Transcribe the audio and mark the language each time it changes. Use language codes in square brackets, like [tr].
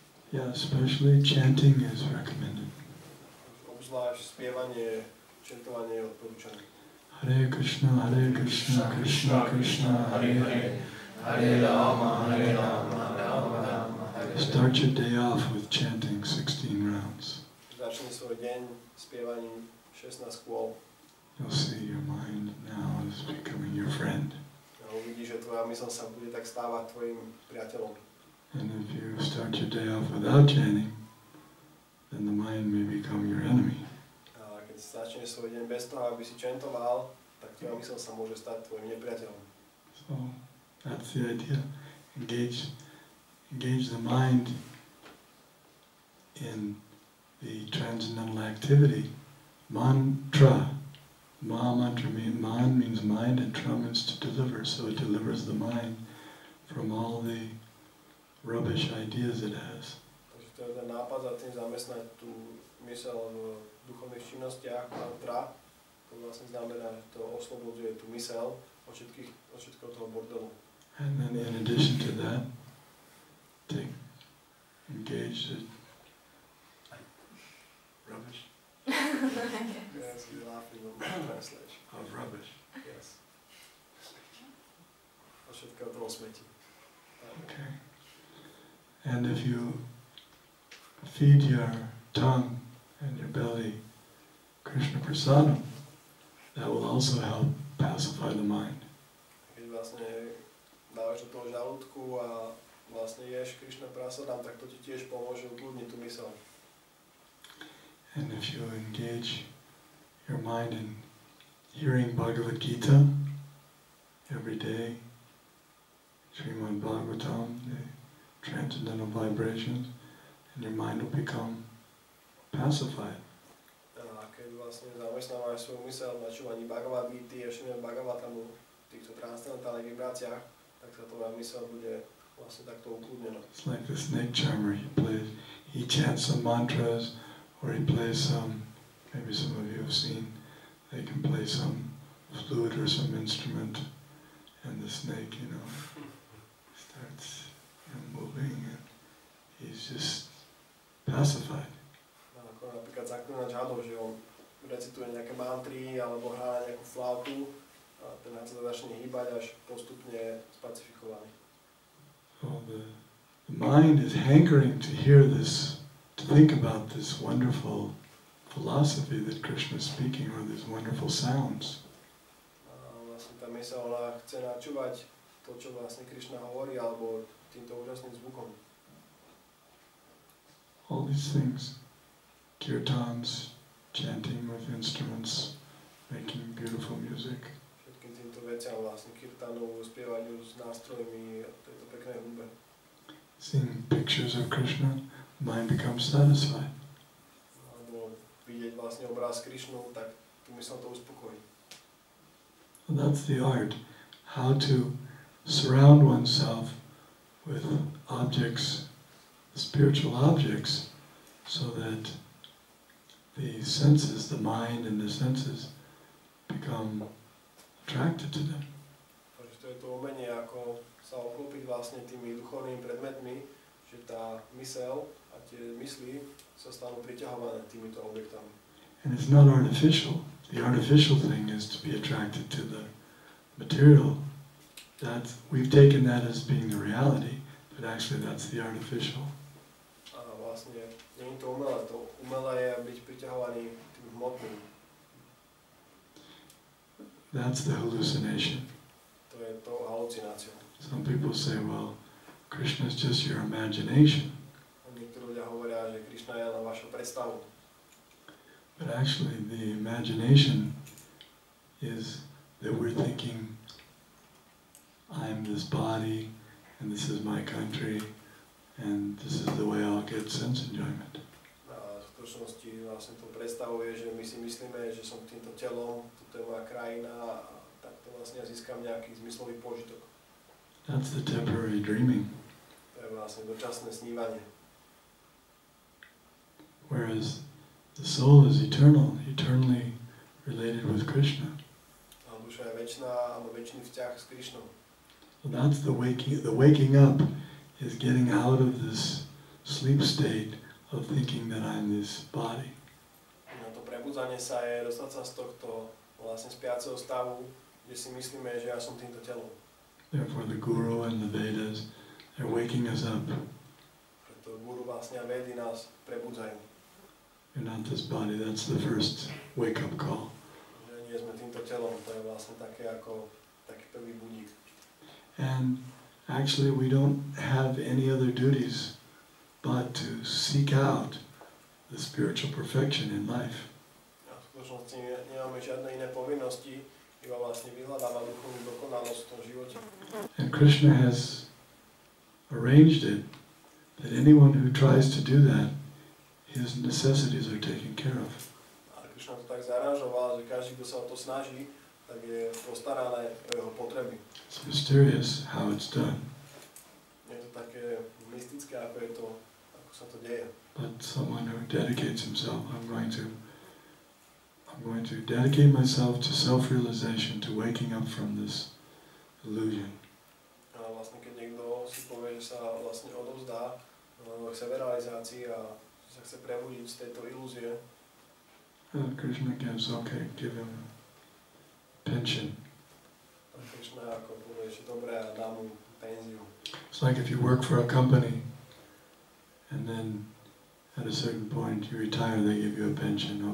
[en] Yeah, especially chanting is recommended. [sk] Obzvlášť spievanie, chantovanie je odporúčané. [sa] Hare Krishna, Krishna Krishna, Hare Hare, Hare Rama, Hare Rama, Rama Rama, Hare Hare. [en] Start your day off with chanting 16 rounds. [sk] Začni svoj deň spievaním 16 kôl. [en] You'll see your mind now is becoming your friend. [sk] A uvidíš, že tvoja myseľ sa bude tak stávať tvojim priateľom. [en] And if you start your day off without chanting, then the mind may become your enemy. [sk] Keď začneš svoj deň bez toho, aby si chantoval, tak tvoja myseľ sa môže stať tvojim nepriateľom. [en] So, that's the idea. Engage the mind in the transcendental activity. Mantra. Mantra means, man means mind and tra means to deliver, so it delivers the mind from all the rubbish ideas it has. [sk] Takže to je ten nápad za tým zamestnať tú myseľ v duchovných činnostiach, mantra, to vlastne znamená, že to oslobodzuje tú myseľ od všetkého toho bordelu. [en] And then in addition to that, take, engage the rubbish. Yes, we're laughing on the translation. Of rubbish. Yes. [sk] Od všetkého toho smeti. [en] Okay. And if you feed your tongue and your belly Krishna prasadam, that will also help pacify the mind. [sk] Keď vlastne dávaš do toho žalúdku a vlastne ješ Krishna prasadam, tak to ti tiež pomôže ukludniť tú myseľ. [en] And if you engage your mind in hearing Bhagavad Gita every day, Srimad Bhagavatam, transcendental vibrations, and your mind will become pacified. [sk] Keď vlastne zamestnávaš svoju myseľ na čúvaní Bhagavad Gita a všetkým Bhagavatam v týchto transcendentálnych vibráciách, tak sa tvoja myseľ bude vlastne takto ukludnená. [en] It's like the snake charmer. He chants some mantras, or he plays some, maybe some of you have seen, they can play some flute or some instrument, and the snake, you know, starts moving, and he's just pacified. [sk] Ako napríklad zaklinač hadov, že on recituje nejaké mantry, alebo hrá na nejakú flautu, a ten hád sa začne hýbať, až postupne spacifikovaný. [en] So the mind is hankering to hear this, to think about this wonderful philosophy that Krishna is speaking, or these wonderful sounds. [sk] A vlastne tá myseľ, ona chce načúvať to, čo vlastne Krishna hovorí, alebo týmto úžasným zvukom. [en] All these things, kirtans, chanting with instruments, making beautiful music. [sk] Všetkým týmto veciam vlastne, kirtanov, spievaniu s nástrojmi, to je to pekné hudbe. [en] Seeing pictures of Krishna, mind becomes satisfied. [sk] Alebo vidieť vlastne obraz Krishnu, tak tu myslím to uspokojí. [en] Well, that's the art, how to surround oneself with objects, spiritual objects, so that the senses, the mind and the senses become attracted to them. [sk] Takže to je to umenie, ako sa obklopiť vlastne tými duchovnými predmetmi, že tá myseľ a tie mysli sa stanú priťahované týmito objektami. [en] And it's not artificial. The artificial thing is to be attracted to the material. That we've taken that as being the reality, but actually that's the artificial. [sk] A vlastne nie je to umelé. To umelé je byť priťahovaný tým hmotným. [en] That's the hallucination. [sk] To je to halucinácia. [en] Some people say, well, Krishna is just your imagination. [sk] Niektorí ľudia hovoria, že Krishna je len vaša predstava. [en] But actually the imagination is that we're thinking, I'm this body, and this is my country, and this is the way I'll get sense enjoyment. [sk] A v skutočnosti vlastne to predstavuje, že my si myslíme, že som týmto telom, toto je moja krajina, a tak to vlastne získam nejaký zmyslový požitok. [en] That's the temporary dreaming. [sk] To je vlastne dočasné snívanie. [en] Whereas the soul is eternal, eternally related with Krishna. [sk] A duša je večná alebo večný vzťah s Krishnou. [en] So that's the waking up is getting out of this sleep state of thinking that I'm this body. [sk] No to prebudzanie sa je dostať sa z tohto vlastne spiaceho stavu, kde si myslíme, že ja som týmto telom. [en] Therefore the guru and the Vedas are waking us up. [sk] Preto guru vlastne a Vedy nás prebudzajú. [en] You're not this body, that's the first wake-up call. [sk] Že nie sme týmto telom, to je vlastne také ako taký prvý budík. [en] And actually we don't have any other duties but to seek out the spiritual perfection in life. [sk] A v skutočnosti nemáme žiadne iné povinnosti, iba vlastne vyhľadávať duchovnú dokonalosť v tom živote. [en] And Krishna has arranged it that anyone who tries to do that, his necessities are taken care of. [sk] A Krishna to tak zaranžoval, že každý, kto sa o to snaží, tak je postarané o jeho potreby. [en] It's mysterious how it's done. [sk] Je to také mystické, ako je to, ako sa to deje. [en] But someone who dedicates himself, I'm going to dedicate myself to self-realization, to waking up from this illusion. [sk] A vlastne, keď niekto si povie, že sa vlastne odovzdá k seberealizácii a sa chce prebudiť z tejto ilúzie. [en] Krishna gives, okay, give him pension. [sk] Krishna ako povie, že dobre, a dá mu penziu. [en] It's like if you work for a company and then at a certain point you retire, they give you a pension.